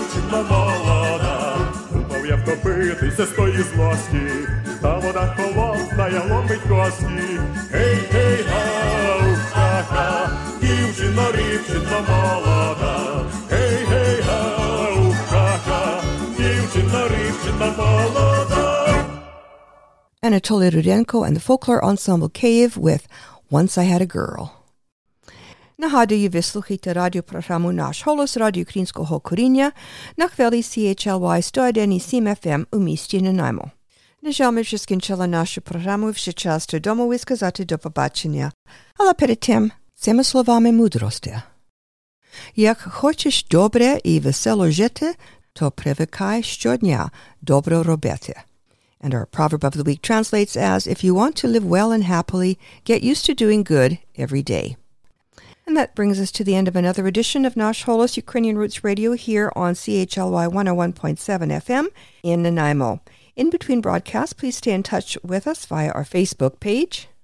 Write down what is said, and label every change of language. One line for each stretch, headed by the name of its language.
Ukrainian: Думав я втопитися з тої злості, та вона холодна, я ломить кості. Ей, гей, гау, ха-ха, дівчина, рівчина молода. Ей, гей, гау, ха-ха, дівчина, рівчина молода.
English: Anatoly Rudenko and the Folklore Ensemble Cave with Once I Had a Girl.
Ukrainian: Нагадую, ви слухаєте радіопрограму «Наш голос» Радіо Українського коріння на хвилі CHLY 101.7 FM у місті Нанаймо. На жаль, ми вже скінчили нашу програму, вже час додому і сказати до побачення. Але перед тим, цими словами мудрості. Як хочеш добре і весело жити, то привикай щодня добре робити.
English: And our proverb of the week translates as, if you want to live well and happily, get used to doing good every day. And that brings us to the end of another edition of Nash Holos Ukrainian Roots Radio here on CHLY 101.7 FM in Nanaimo. In between broadcasts, please stay in touch with us via our Facebook page.